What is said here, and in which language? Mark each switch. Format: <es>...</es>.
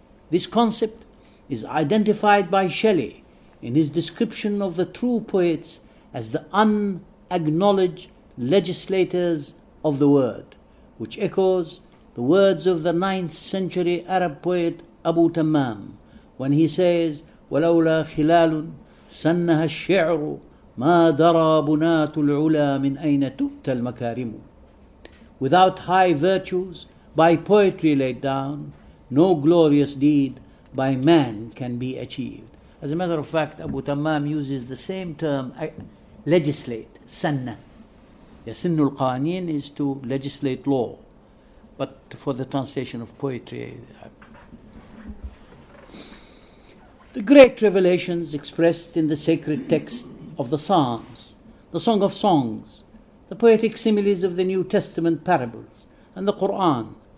<en>This concept is identified by Shelley in his description of the true poets as the unacknowledged legislators of the word, which echoes the words of the 9th century Arab poet Abu Tammam when he says,</en> <ar>وَلَوْلَا خِلَالٌ سَنَّهَا الشِّعْرُ مَا دَرَى بُنَاتُ الْعُلَى مِنْ أَيْنَ تُؤْتَى الْمَكَارِمُ.</ar> <en>Without high virtues, by poetry laid down, no glorious deed by man can be achieved. As a matter of fact, Abu Tammam uses the same term, legislate, sanna.</en> <ar>يَسِنُّ الْقَانِينَ</ar> <en>is to legislate law. But for the translation of poetry, the great revelations expressed in the sacred text of the Psalms, the Song of Songs, the poetic similes of the New Testament parables, and the Quran,</en>